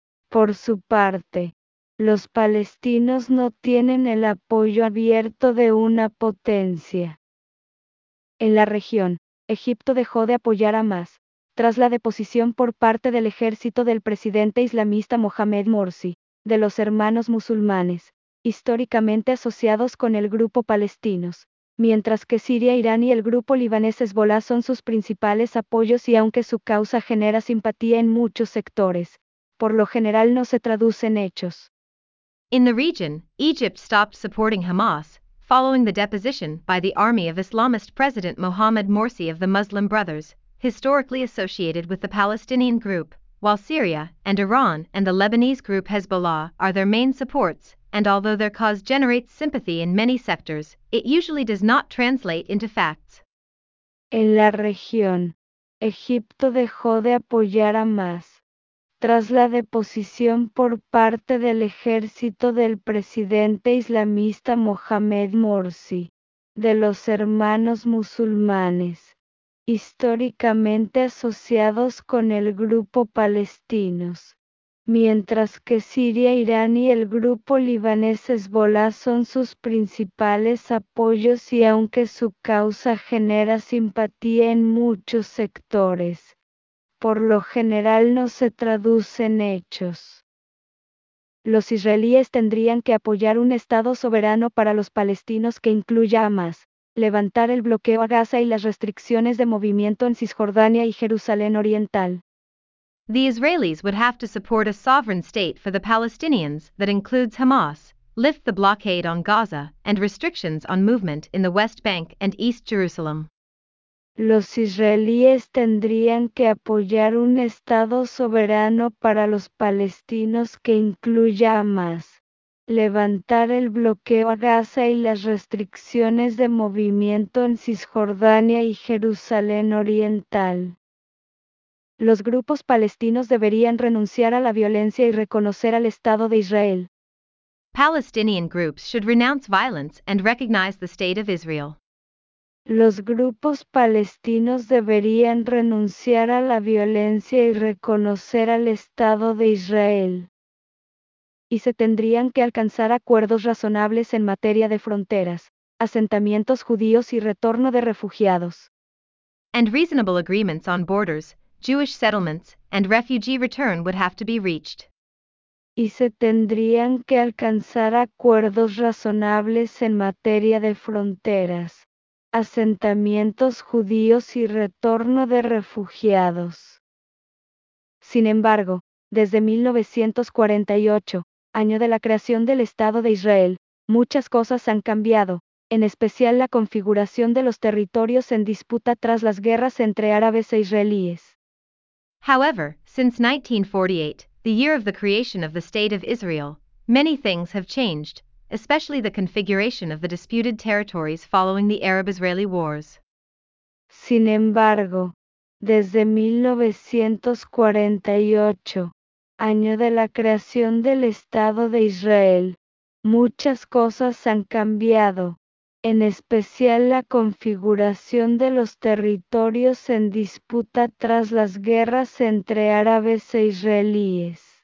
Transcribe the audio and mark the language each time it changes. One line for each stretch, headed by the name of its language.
Spanish: Por su parte, los palestinos no tienen el apoyo abierto de una potencia. En la región, Egipto dejó de apoyar a Hamas, tras la deposición por parte del ejército del presidente islamista Mohamed Morsi, de los hermanos musulmanes, históricamente asociados con el grupo palestinos, mientras que Siria, Irán y el grupo libanés Hezbollah son sus principales apoyos y aunque su causa genera simpatía en muchos sectores, por lo general no se traduce en hechos.
English: In the region, Egypt stopped supporting Hamas, following the deposition by the army of Islamist President Mohamed Morsi of the Muslim Brothers, historically associated with the Palestinian group, while Syria and Iran and the Lebanese group Hezbollah are their main supports, and although their cause generates sympathy in many sectors, it usually does not translate into facts.
Spanish: En la región, Egipto dejó de apoyar a Hamas, tras la deposición por parte del ejército del presidente islamista Mohamed Morsi, de los hermanos musulmanes, históricamente asociados con el grupo palestinos, mientras que Siria, Irán y el grupo libanés Hezbollah son sus principales apoyos y aunque su causa genera simpatía en muchos sectores, por lo general no se traduce en hechos. Los israelíes tendrían que apoyar un Estado soberano para los palestinos que incluya a Hamas, levantar el bloqueo a Gaza y las restricciones de movimiento en Cisjordania y Jerusalén Oriental.
English: The Israelis would have to support a sovereign state for the Palestinians that includes Hamas, lift the blockade on Gaza, and restrictions on movement in the West Bank and East Jerusalem.
Spanish: Los israelíes tendrían que apoyar un Estado soberano para los palestinos que incluya Hamas, levantar el bloqueo a Gaza y las restricciones de movimiento en Cisjordania y Jerusalén Oriental. Los grupos palestinos deberían renunciar a la violencia y reconocer al Estado de Israel.
English: Palestinian groups should renounce violence and recognize the State of Israel.
Spanish: Los grupos palestinos deberían renunciar a la violencia y reconocer al Estado de Israel. Y se tendrían que alcanzar acuerdos razonables en materia de fronteras, asentamientos judíos y retorno de refugiados.
English: And reasonable agreements on borders, Jewish settlements, and refugee return would have to be reached.
Spanish: Y se tendrían que alcanzar acuerdos razonables en materia de fronteras, asentamientos judíos y retorno de refugiados. Sin embargo, desde 1948, año de la creación del Estado de Israel, muchas cosas han cambiado, en especial la configuración de los territorios en disputa tras las guerras entre árabes e israelíes.
English: However, since 1948, the year of the creation of the State of Israel, many things have changed, especially the configuration of the disputed territories following the Arab-Israeli wars.
Spanish: Sin embargo, desde 1948, año de la creación del Estado de Israel, muchas cosas han cambiado, en especial la configuración de los territorios en disputa tras las guerras entre árabes e israelíes.